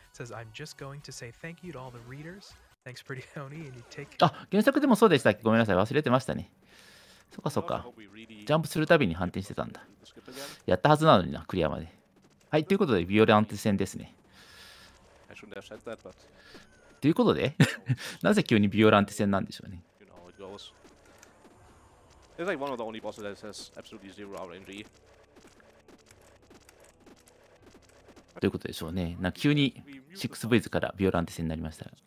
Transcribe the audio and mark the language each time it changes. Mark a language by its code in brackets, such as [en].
[en] Says, I'm just going to say thank you to all the readers. Thanks, Pretty Tony, and you take [ja] care. あ、原作でもそうでしたっけ。ごめんなさい、忘れてましたね。そっかそっか。ジャンプするたびに反転してたんだ。やったはずなのにな、クリアまで。はい、ということで、ビオレアンテ戦ですね。 [en] I shouldn't have said that, but... [ja] ということで、なぜ急にビオレアンテ戦なんでしょうね。 [en] You know how it goes. It's like one of the only bosses that has absolutely zero RNG. [ja] ということでしょうね。なんか急に 6Vs からビオランテ戦になりました。